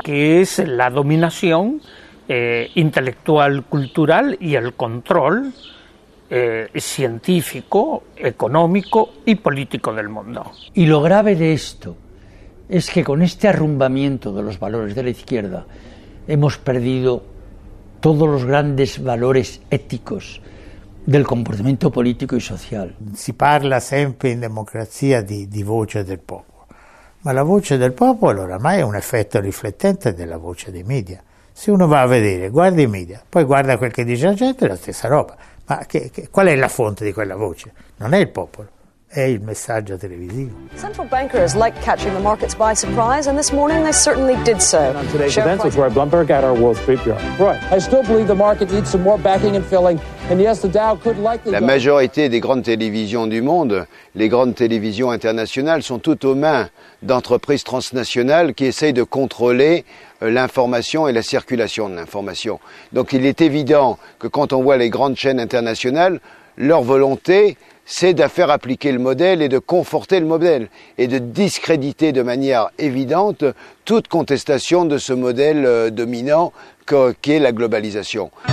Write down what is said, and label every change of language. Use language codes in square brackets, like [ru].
[es] Que es la dominación intelectual, cultural y el control científico, económico y político del mundo. Y lo grave de esto es que con este arrumbamiento de los valores de la izquierda hemos perdido todos los grandes valores éticos del comportamiento político y social. [it] Si parla siempre en democracia de voce del popolo, ma la voce del popolo oramai è un effetto riflettente della voce dei media. Se uno va a vedere, guarda i media, poi guarda quel che dice la gente, è la stessa roba. Ma qual è la fonte di quella voce? Non è il popolo, è il messaggio televisivo. [en] Central bankers like catching the markets by surprise, and this morning they certainly did so. And on today's events with Roy Blumberg at our Wall Street Bureau. Roy, I still believe the market needs some more backing and filling, and yes, the Dow could likely. [fr] La majorité des grandes télévisions du monde, les grandes télévisions internationales, sont toutes aux mains d'entreprises transnationales qui essayent de contrôler l'information et la circulation de l'information. Donc il est évident que quand on voit les grandes chaînes internationales, leur volonté, c'est de faire appliquer le modèle et de conforter le modèle et de discréditer de manière évidente toute contestation de ce modèle dominant qu'est la globalisation.